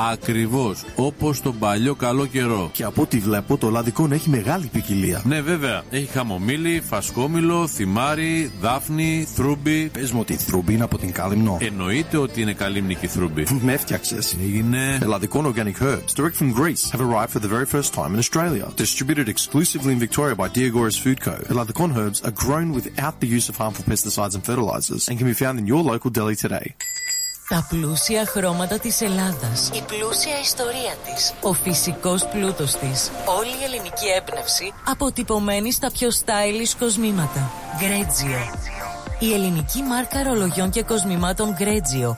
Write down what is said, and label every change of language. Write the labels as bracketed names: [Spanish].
[Greek] Ακριβώς. Όπως τον παλιό καλό καιρό. Και από ό,τι βλέπω το ελλαδικό έχει μεγάλη ποικιλία. Ναι, βέβαια. Έχει χαμομήλι, φασκόμηλο, θυμάρι, δάφνη, θρούμπι. Πες μου ότι η θρούμπι είναι από την Καλυμνό. Εννοείται ότι είναι καλυμνική θρούμπι. Με έφτιαξες. Είναι [English] ελλαδικών organic herbs. Direct from Greece. Have arrived for the very first time in Australia. Distributed exclusively in Victoria by Diagoras Food Co. Ελλαδικών herbs are grown without the use of harmful pesticides and fertilizers and can be found in your local deli today. [Greek] Τα πλούσια χρώματα της Ελλάδας. Η πλούσια ιστορία της. Ο φυσικός πλούτος της. Όλη η ελληνική έμπνευση αποτυπωμένη στα πιο stylish κοσμήματα. Greggio. Η ελληνική μάρκα ρολογιών και κοσμημάτων Greggio,